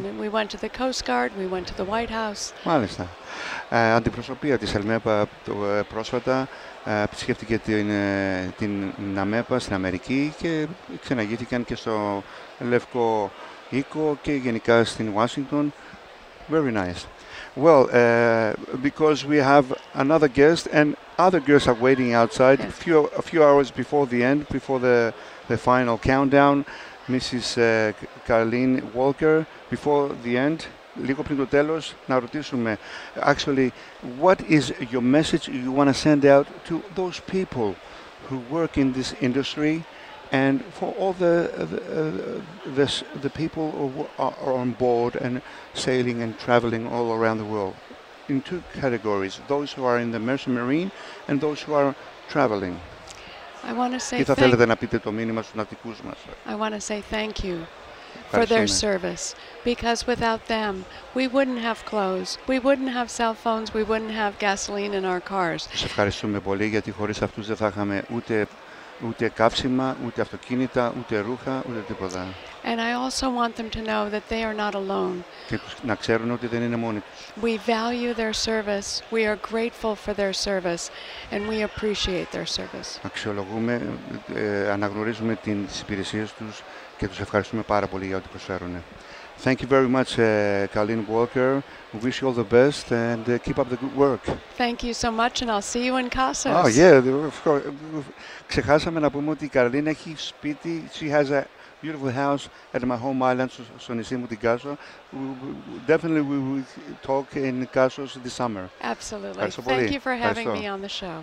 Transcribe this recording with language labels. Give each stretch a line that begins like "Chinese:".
English: Mm-hmm. And we went to the Coast Guard, we went to the White House.
Greek: Μάλιστα. Αντιπροσωπεία της Helmepa πρόσφατα επισκέφτηκε την Ναμέπα στην Αμερική και ξεναγήθηκαν και στο Λευκό Οίκο και γενικά στην Washington.
English: Very nice. Well, because we have another guest and other guests are waiting outside. Yes. A few hours before the end, before the final countdown, Mrs. Caroline Walker, before the end,
Greek: λίγο πριν το τέλος, να ρωτήσουμε,
English: actually, what is your message you want to send out to those people who work in this industry and for all the people who are on board and sailing and traveling all around the world in two categories, those who are in the merchant marine and those who are traveling? I want to say
Greek: θα θέλετε να πείτε το μήνυμα στους ναυτικούς μας.
English: I want to say thank you for their service, because without them we wouldn't have clothes, we wouldn't have cell phones, we wouldn't have gasoline in our cars.
Greek: Σας ευχαριστούμε πολύ, γιατί χωρίς αυτούς δεν θα είχαμε ούτε καύσιμα, ούτε αυτοκίνητα, ούτε ρούχα, ούτε τίποτα.
English: And I also want them to know that they are not alone.
Greek: Και να ξέρουν ότι δεν είναι μόνοι τους.
English: We value their service, we are grateful for their service, and we appreciate their service.
Greek: Αξιολογούμε, αναγνωρίζουμε τις υπηρεσίες τους και τους ευχαριστούμε πάρα πολύ για ό,τι προσφέρουν.
English: Thank you very much, Caroline Walker. We wish you all the best and keep up the good work. Thank you so much, and I'll see you in Casas. Oh yeah, of course.
Greek: Ξεχάσαμε να πούμε ότι η Καρολίνα έχει σπίτι.
English: She has a beautiful house at my home island,
Greek: στο νησί μου, την Κάσο.
English: Definitely we will talk in Casas this summer. Absolutely. Thank you for having me on the show.